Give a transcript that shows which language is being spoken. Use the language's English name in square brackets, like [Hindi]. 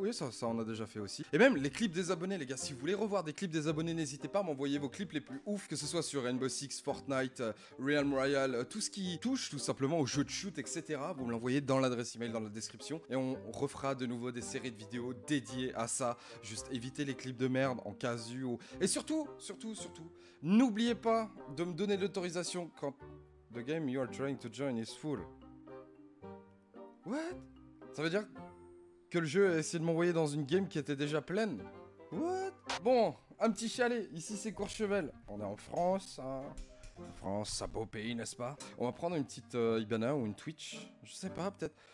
[French] Oui, ça on a déjà fait aussi. Et même les clips des abonnés, les gars, si vous voulez revoir des clips des abonnés, n'hésitez pas à m'envoyer vos clips les plus ouf, que ce soit sur Rainbow Six, Fortnite, Realm Royale, tout ce qui touche tout simplement au jeu de shoot, etc. Vous me l'envoyez dans l'adresse email dans la description et on refera de nouveau des séries de vidéos dédiées à ça. Juste évitez les clips de merde en casu ou... Et surtout, n'oubliez pas de me donner l'autorisation quand... [English] The game you are trying to join is full. What? [French] Ça veut dire que le jeu a essayé de m'envoyer dans une game qui était déjà pleine? What? Bon, un petit chalet, ici c'est Courchevel. On est en France, hein. En France, un beau pays, n'est-ce pas? On va prendre une petite Ibana ou une Twitch. Je sais pas, peut-être.